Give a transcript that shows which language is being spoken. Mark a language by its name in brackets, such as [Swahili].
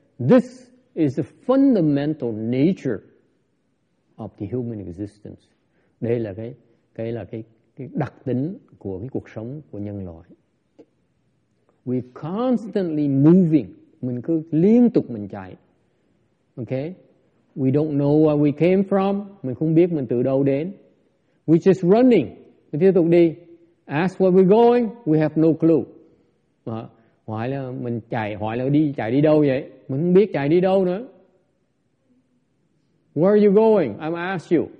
[English] This is the fundamental nature of the human existence. [Vietnamese] Đây là cái đặc tính của cái cuộc sống của nhân loại. [English] We're constantly moving. [Vietnamese] Mình cứ liên tục mình chạy. [English] Okay, we don't know where we came from. [Vietnamese] Mình không biết mình từ đâu đến. [English] We're just running. [Vietnamese] Mình tiếp tục đi. [English] Ask where we're going. We have no clue. [Vietnamese] Hỏi là mình chạy, hỏi là đi chạy đi đâu vậy? Mình không biết chạy đi đâu nữa. [English] Where are you going? I'm ask you.